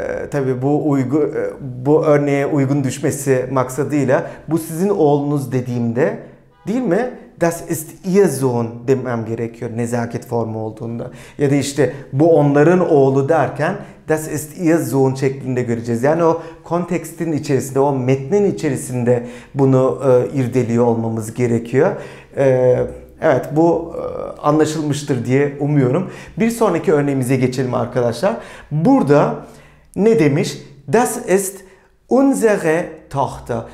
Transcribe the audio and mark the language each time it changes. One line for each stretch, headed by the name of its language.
Turkish: Tabii bu örneğe uygun düşmesi maksadıyla bu sizin oğlunuz dediğimde değil mi?
German: Das ist ihr Sohn
Turkish: demem gerekiyor nezaket formu olduğunda. Ya da işte bu onların oğlu derken
German: das ist ihr Sohn
Turkish: şeklinde göreceğiz. Yani o kontekstin içerisinde, o metnin içerisinde bunu irdeliyor olmamız gerekiyor. Evet, bu anlaşılmıştır diye umuyorum. Bir sonraki örneğimize geçelim arkadaşlar. Burada ne demiş?
German: Das ist unsere Tochter.